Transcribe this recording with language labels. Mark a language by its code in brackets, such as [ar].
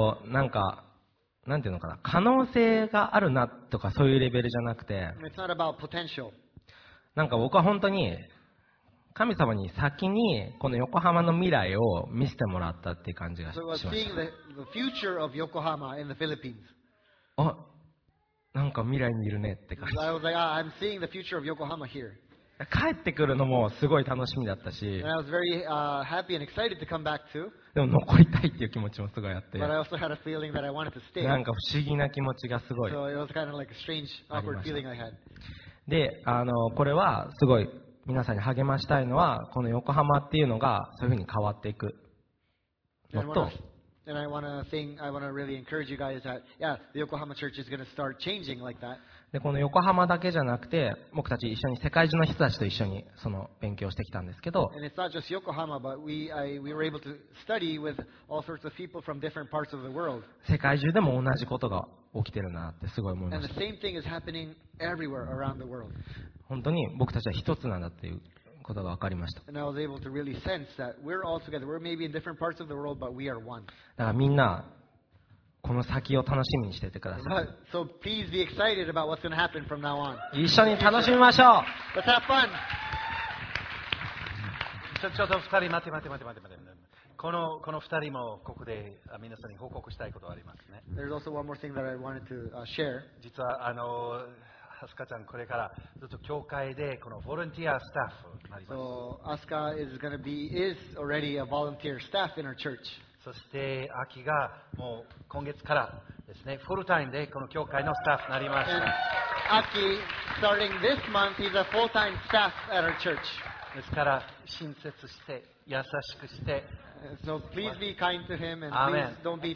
[ja] なんか、なんていうのかな、可能性があるなとかそういうレベルじゃなくて、 [en] It's not about potential. [ja] なんか僕は本当に神様に先にこの横浜の未来を見せてもらったっていう感じがしました。 [en] So we're seeing the future of Yokohama in the Philippines. [ja] あ、なんか未来にいるねって感じ。 [en] I was like, ah, I'm seeing the future of Yokohama here. [ja] 帰ってくるのもすごい楽しみだったし。 [en] And I was very happy and excited to come back too. [ja] でも残りたいっていう気持ちもすごいあって。 [en] But I also had a feeling that I wanted to stay. [ja] なんか不思議な気持ちがすごい。 [en] So it was kind of like a strange, awkward feeling I had. [ja] で、これはすごい皆さんに励ましたいのは、この横浜っていうのがそういうふうに変わっていくのと、 [en] And I wanna think, I wanna really encourage you guys that, yeah, the Yokohama Church is gonna start changing like that. [ja] で、この横浜だけじゃなくて、僕たち一緒に世界中の人たちと一緒にその勉強してきたんですけど、 [en] And it's not just Yokohama, but we were able to study with all sorts of people from different parts of the world. [ja] 世界中でも同じことが起きてるなってすごい思いました。 [en] And the same thing is happening everywhere around the world. [ja] 本当に僕たちは一つなんだっていうことが分かりました。 [en] And I was able to really sense that we're all together. We're maybe in different parts of the world, but we are one. [ja] だからみんな、この先を楽しみにしててください。 [en] So please be excited about what's going to happen from now on. [ja] 一緒に楽しみましょう。 [en] Let's have fun. [ja] ちょっと二人待て。この二人もここで皆さんに報告したいことがありますね。 [en] There's also one more thing that I wanted to share. [ja] 実はアスカちゃんこれからずっと教会でこのボランティアスタッフになります。 [en] So Asuka is going to be is already a volunteer staff in our church. [ja] そしてアキがもう今月からですねフルタイムでこの教会のスタッフになりました。 [en] And Aki, starting this month, he's a full-time staff at our church. [ja] ですから親切して優しくして。 [en] So please be kind to him and please don't be.